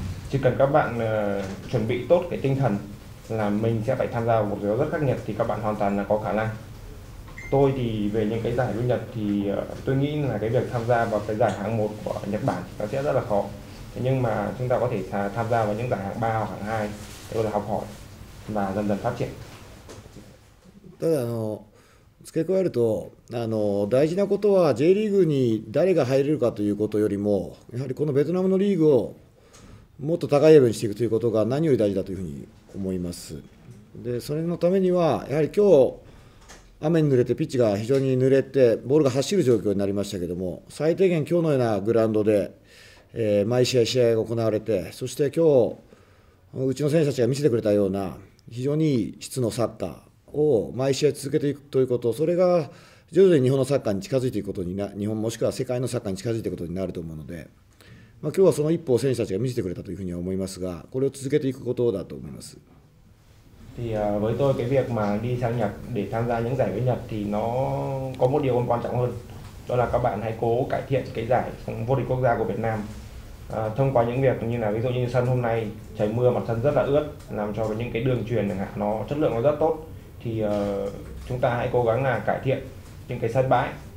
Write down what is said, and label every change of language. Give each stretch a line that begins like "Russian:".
Vietnamese: Chỉ cần các bạn chuẩn bị tốt cái tinh thần là mình sẽ phải tham gia một trận đấu rất khắc nghiệt thì các bạn hoàn toàn là có khả năng. Tôi thì về những cái giải của Nhật thì tôi nghĩ là cái việc tham gia vào cái giải hạng 1 của Nhật Bản nó sẽ rất là khó. Thế nhưng mà chúng ta có thể tham gia vào những giải hạng 3 hoặc hạng 2 để có thể học hỏi và dần dần phát triển.
Japanese: ただ付け加えると大事なことは J リーグに誰が入れるかということよりもやはりこのベトナムのリーグをもっと高いレベルにしていくということが何より大事だというふうに思います。で、それのためにはやはり今日雨に濡れてピッチが非常に濡れてボールが走る状況になりましたけれども、最低限今日のようなグラウンドで毎試合試合が行われて、そして今日うちの選手たちが見せてくれたような非常にいい質のサッカーを毎試合続けていくということ、それが徐々に日本のサッカーに近づいていくことにな、日本もしくは世界のサッカーに近づいていくことになると思うので、まあ今日はその一歩を選手たちが見せてくれたというふうには思いますが、これを続けていくことだと思います。
Vietnamese: Thì với tôi cái việc mà đi sang Nhật để tham gia những giải với Nhật thì nó có một điều còn quan trọng hơn, đó là các bạn hãy cố cải thiện cái giải vô địch quốc gia của Việt Nam thông qua những việc như là ví dụ như sân hôm nay trời mưa mặt sân rất là ướt, làm cho những cái đường truyền nó chất lượng nó rất tốt, thì chúng ta hãy cố gắng là cải thiện những cái sân bãi